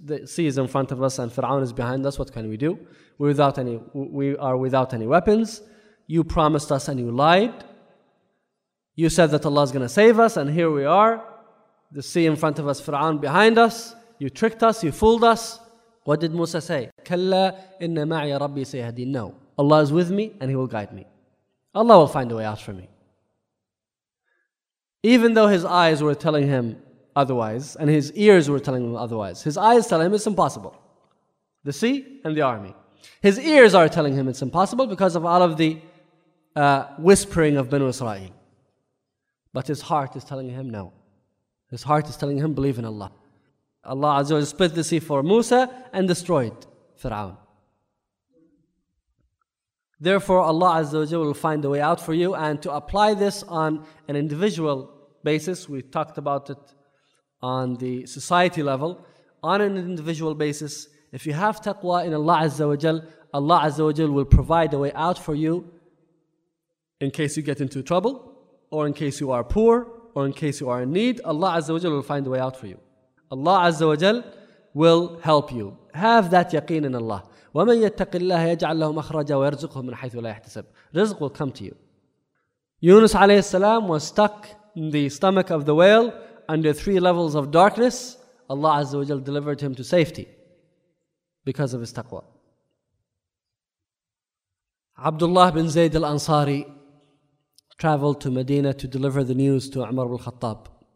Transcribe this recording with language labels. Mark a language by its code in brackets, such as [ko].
[en] The sea is in front of us and Fir'aun is behind us. What can we do? We are without any weapons. You promised us and you lied. You said that Allah is going to save us and here we are. The sea in front of us, Fir'aun behind us. You tricked us. You fooled us. What did Musa say? [ar] كَلَّا إِنَّ مَعْيَ رَبِّي سَيَهْدِينَ [en] No. Allah is with me and He will guide me. Allah will find a way out for me. Even though his eyes were telling him otherwise, and his ears were telling him otherwise, his eyes tell him it's impossible. The sea and the army. His ears are telling him it's impossible because of all of the whispering of Banu Israel. But his heart is telling him no. His heart is telling him believe in Allah. Allah Azza wa Jalla split the sea for Musa and destroyed Fir'aun. Therefore, Allah Azza wa Jalla will find a way out for you. And to apply this on an individual basis, we talked about it on the society level. On an individual basis, if you have taqwa in Allah Azza wa Jalla, Allah Azza wa Jalla will provide a way out for you in case you get into trouble, or in case you are poor, or in case you are in need. Allah Azza wa Jalla will find a way out for you. Allah Azza wa Jalla will help you. Have that yaqeen in Allah. [ar] وَمَنْ يَتَّقِ اللَّهَ يَجْعَلْ لَهُ مَخْرَجًا وَيَرْزُقُهُ مِنْ حَيْثُ لَا يَحْتَسَبُ [en] Rizq will come to you. Yunus alayhi salam was stuck in the stomach of the whale under three levels of darkness. Allah Azza wa Jalla delivered him to safety because of his taqwa. Abdullah bin Zayd al-Ansari traveled to Medina to deliver the news to Umar ibn Khattab.